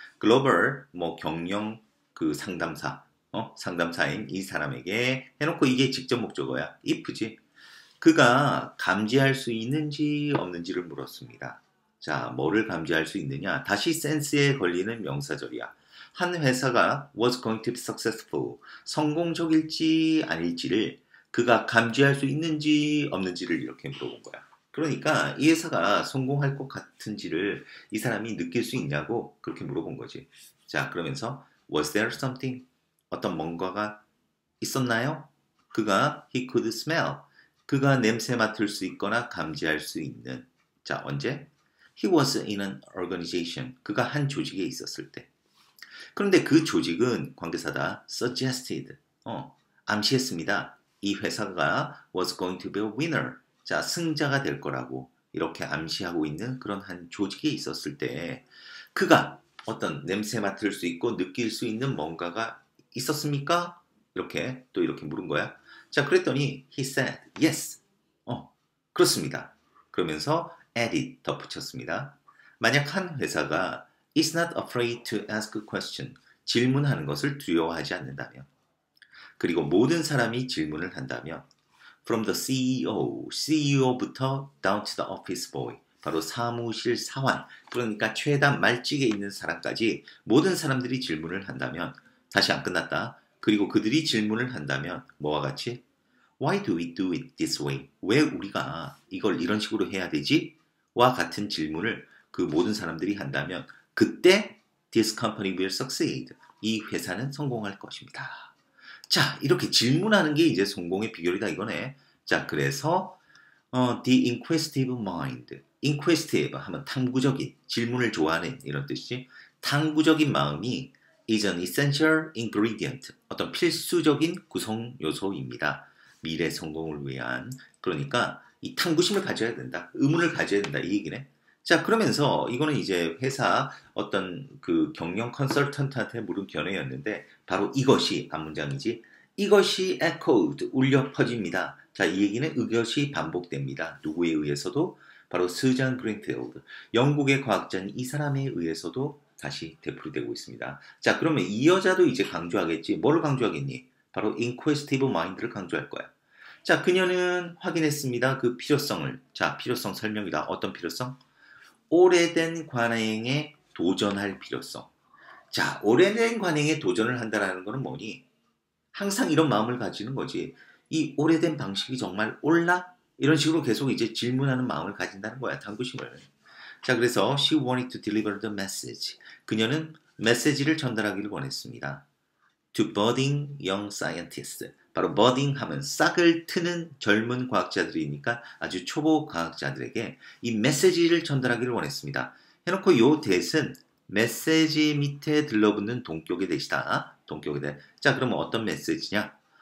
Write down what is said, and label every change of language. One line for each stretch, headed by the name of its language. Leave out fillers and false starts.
Korean: Global, 뭐, 경영, 그, 상담사. 상담사인 이 사람에게 해놓고 이게 직접 목적어야. If지. 그가 감지할 수 있는지 없는지를 물었습니다. 자, 뭐를 감지할 수 있느냐? 다시 센스에 걸리는 명사절이야. 한 회사가
English: was going to be successful.
Korean: 성공적일지 아닐지를 그가 감지할 수 있는지 없는지를 이렇게 물어본 거야. 그러니까 이 회사가 성공할 것 같은지를 이 사람이 느낄 수 있냐고 그렇게 물어본 거지. 자, 그러면서
English: Was there something?
Korean: 어떤 뭔가가 있었나요? 그가
English: He could smell.
Korean: 그가 냄새 맡을 수 있거나 감지할 수 있는. 자, 언제?
English: He was in an organization.
Korean: 그가 한 조직에 있었을 때. 그런데 그 조직은 관계사다 suggested. 암시했습니다. 이 회사가
English: was going to be a winner.
Korean: 자, 승자가 될 거라고 이렇게 암시하고 있는 그런 한 조직에 있었을 때 그가 어떤 냄새 맡을 수 있고 느낄 수 있는 뭔가가 있었습니까? 이렇게 또 이렇게 물은 거야. 자, 그랬더니
English: he said yes.
Korean: 그렇습니다. 그러면서 added, 덧붙였습니다. 만약 한 회사가
English: is not afraid to ask a question,
Korean: 질문하는 것을 두려워하지 않는다면 그리고 모든 사람이 질문을 한다면
English: from the CEO
Korean: 부터
English: down to the office boy
Korean: 바로 사무실 사원 그러니까 최단 말직에 있는 사람까지 모든 사람들이 질문을 한다면 다시 안 끝났다. 그리고 그들이 질문을 한다면 뭐와 같이
English: why do we do it this way?
Korean: 왜 우리가 이걸 이런 식으로 해야 되지? 와 같은 질문을 그 모든 사람들이 한다면 그때
English: this company will succeed.
Korean: 이 회사는 성공할 것입니다. 자, 이렇게 질문하는 게 이제 성공의 비결이다 이거네. 자, 그래서
English: the inquisitive mind.
Korean: inquisitive 하면 탐구적인, 질문을 좋아하는 이런 뜻이지. 탐구적인 마음이
English: is an essential ingredient.
Korean: 어떤 필수적인 구성 요소입니다. 미래 성공을 위한. 그러니까 이 탐구심을 가져야 된다. 의문을 가져야 된다 이 얘기네. 자, 그러면서 이거는 이제 회사 어떤 그 경영 컨설턴트한테 물은 견해였는데 바로 이것이 반문장이지. 이것이 echoed, 울려 퍼집니다. 자, 이 얘기는 이것이 반복됩니다. 누구에 의해서도? 바로 스잔 그린필드. 영국의 과학자인 이 사람에 의해서도 다시 되풀이되고 있습니다. 자, 그러면 이 여자도 이제 강조하겠지. 뭘 강조하겠니? 바로 inquisitive mind를 강조할 거야. 자, 그녀는 확인했습니다. 그 필요성을. 자, 필요성 설명이다. 어떤 필요성? 오래된 관행에 도전할 필요성. 자, 오래된 관행에 도전을 한다라는 것은 뭐니? 항상 이런 마음을 가지는 거지. 이 오래된 방식이 정말 옳나? 이런 식으로 계속 이제 질문하는 마음을 가진다는 거야, 탐구심을. 자, 그래서
English: she wanted to deliver the message.
Korean: 그녀는 메시지를 전달하기를 원했습니다.
English: To budding young scientists.
Korean: 바로 budding 하면 싹을 트는 젊은 과학자들이니까 아주 초보 과학자들에게 이 메시지를 전달하기를 원했습니다. 해놓고 요 대신 메시지 밑에 들러붙는 동격의 대시다. 동격의 대. 자, 그러면 어떤 메시지냐?